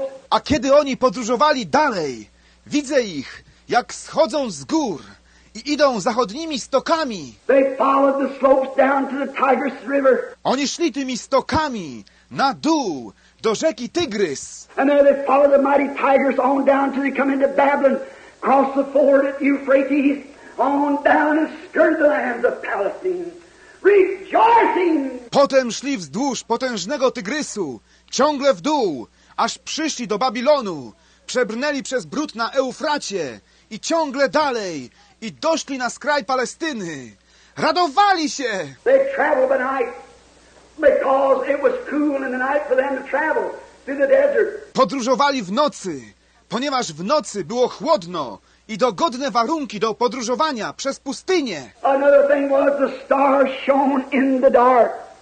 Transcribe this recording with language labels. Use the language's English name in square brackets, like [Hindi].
[Polish] A kiedy oni podróżowali dalej, widzę ich, jak schodzą z gór i idą zachodnimi stokami. [English] They followed the slopes down to the Tigris River. [Polish] Oni szli tymi stokami na dół do rzeki Tygrys. [English] And then they followed the mighty Tigris on down till they come into Babylon, cross the ford at Euphrates. On down and skirt the lands of Palestine, rejoicing. [Polish] Potem szli wzdłuż potężnego Tygrysu, ciągle w dół, aż przyszli do Babilonu, przebrnęli przez brud na Eufracie i ciągle dalej, i doszli na skraj Palestyny. Radowali się. [English] They traveled by night because it was cool in the night for them to travel through the desert. [Polish] Podróżowali w nocy, ponieważ w nocy było chłodno i dogodne warunki do podróżowania przez pustynię. [English] Another thing was the star shone in the dark.